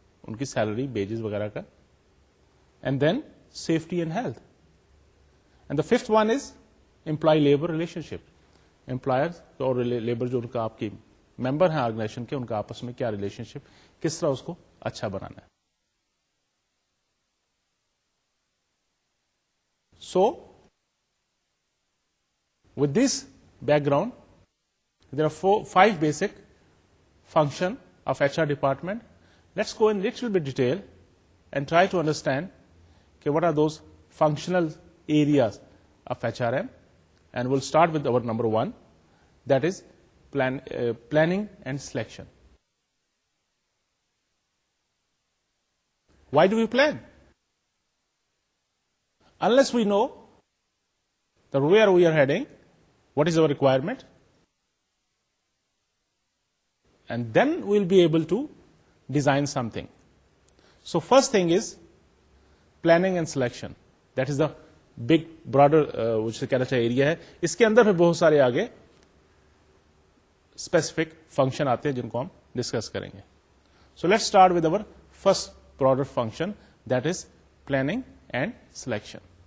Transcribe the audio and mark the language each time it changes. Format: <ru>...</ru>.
<ur>ان کی</ur> <en>salary بیجز</en> <ur>وغیرہ کا.</ur> <en>And then safety and health. And the fifth one is employee labour relationship.</en> <ur>Employer اور labour جو ان کا آپ کی ممبر ہیں آرگنائزیشن کے, ان کا آپس میں کیا ریلیشن شپ, کس طرح اس کو اچھا بنانا ہے.</ur> <en>So with this background there are 5 basic function of H R department. Let's go in little bit detail and try to understand okay, what are those functional areas of HRM, and we'll start with our number 1, that is planning and selection. Why do we plan? Unless we know that where we are heading, what is our requirement, and then we'll be able to design something. So first thing is planning and selection. That is the</en> <ur>big broader جسے کہنا چاہیے area ہے, اس کے اندر پھر بہت سارے آگے specific function آتے ہیں جن کو ہم ڈسکس کریں گے.</ur> <en>So let's start with our first broader function that is planning and selection.</en>